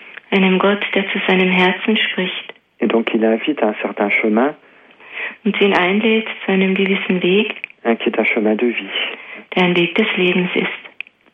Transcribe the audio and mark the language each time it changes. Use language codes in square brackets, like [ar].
[de] Einem Gott, der zu seinem Herzen spricht. [fr] Et donc il invite à un certain chemin. [de] Und ihn einlädt zu einem gewissen Weg. [fr] Qui est un chemin de vie. [de] Der ein Weg des Lebens ist.